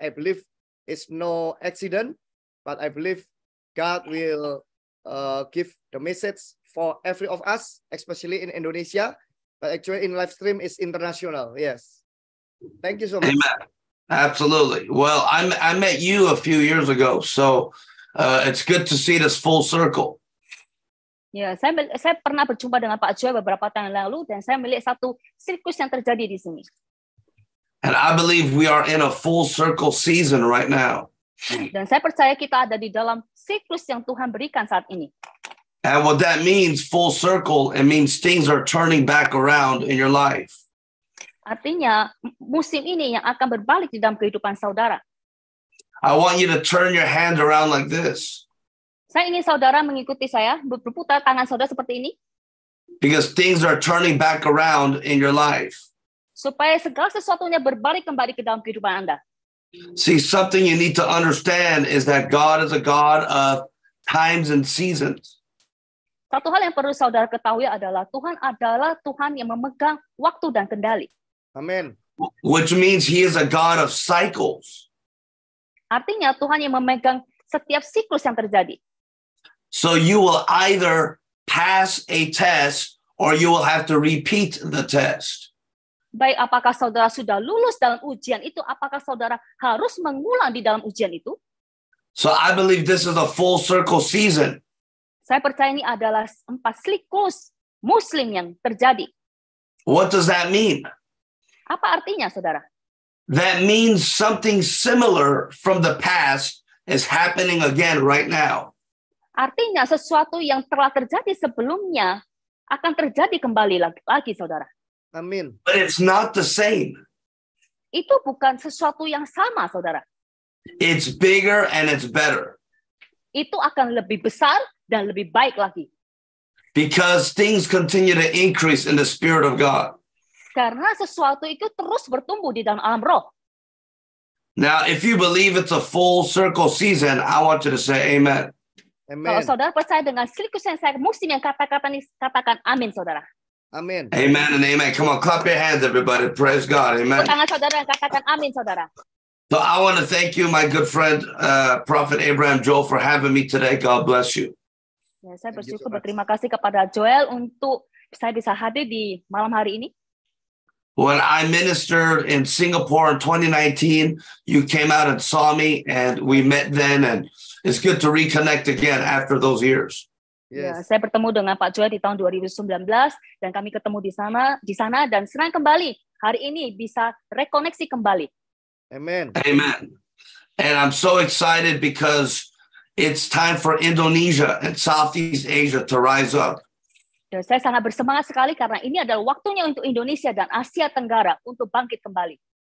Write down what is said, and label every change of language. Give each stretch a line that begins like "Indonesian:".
English: I believe it's no accident, but I believe God will give the message for every of us, especially in Indonesia, but actually in live stream is international. Yes. Thank you so much. Amen. Absolutely. Well, I met you a few years ago, so it's good to see this full circle.
Indonesian: Ya, yeah, saya pernah berjumpa dengan Pak Joel beberapa tahun yang lalu dan saya melihat satu sirkus yang terjadi di sini.
English: And I believe we are in a full circle season right now.
Indonesian: Dan saya percaya kita ada di dalam siklus yang Tuhan berikan saat ini.
English: And what that means, full circle, it means things are turning back around in your life.
Indonesian: Artinya musim ini yang akan berbalik di dalam kehidupan saudara.
English: I want you to turn your hand around like this.
Indonesian: Saya ingin saudara mengikuti saya, berputar tangan saudara seperti ini.
English: Because things are turning back around in your life.
Indonesian: Supaya segala sesuatunya berbalik kembali ke dalam kehidupan Anda.
English: See, something you need to understand is that God is a God of times and seasons.
Indonesian: Satu hal yang perlu saudara ketahui adalah Tuhan yang memegang waktu dan kendali.
English: Amen. Which means he is a God of cycles.
Indonesian: Artinya Tuhan yang memegang setiap siklus yang terjadi.
English: So you will either pass a test or you will have to repeat the test.
Indonesian: Baik, apakah saudara sudah lulus dalam ujian itu? Apakah saudara harus mengulang di dalam ujian itu?
English: So I believe this is a full circle season.
Indonesian: Saya percaya ini adalah empat siklus muslim yang terjadi.
English: What does that mean?
Indonesian: Apa artinya, saudara?
English: That means something similar from the past is happening again right now.
Indonesian: Artinya sesuatu yang telah terjadi sebelumnya akan terjadi kembali lagi, saudara. Amin.
English: But it's not the same.
Indonesian: Itu bukan sesuatu yang sama, saudara.
English: It's bigger and it's better.
Indonesian: Itu akan lebih besar dan lebih baik lagi.
English: Because things continue to increase in the Spirit of God.
Indonesian: Karena sesuatu itu terus bertumbuh di dalam alam roh.
English: Now, if you believe it's a full circle season, I want you to say amen.
Indonesian: Amen. Kalau saudara percaya dengan siklus yang saya musim yang kata-kata ini, katakan amin, saudara.
English: Amen. Amen and amen. Come on, clap your hands, everybody. Praise God. Amen.
Indonesian: Tangan saudara yang katakan amin, saudara.
English: So I want to thank you, my good friend, Prophet Abraham Joel, for having me today. God bless you.
Indonesian: Ya, saya bersyukur berterima kasih kepada Joel untuk saya bisa hadir di malam hari ini.
English: When I ministered in Singapore in 2019, you came out and saw me, and we met then, and it's good to reconnect again after those years. Yes.
Indonesian: Saya bertemu dengan Pak Joel di tahun 2019, dan kami ketemu di sana, dan senang kembali. Hari ini bisa rekoneksi kembali.
English: Amen. Amen. And I'm so excited because it's time for Indonesia and Southeast Asia to rise up.
Indonesian: Dan saya sangat bersemangat sekali karena ini adalah waktunya untuk Indonesia dan Asia Tenggara untuk bangkit kembali.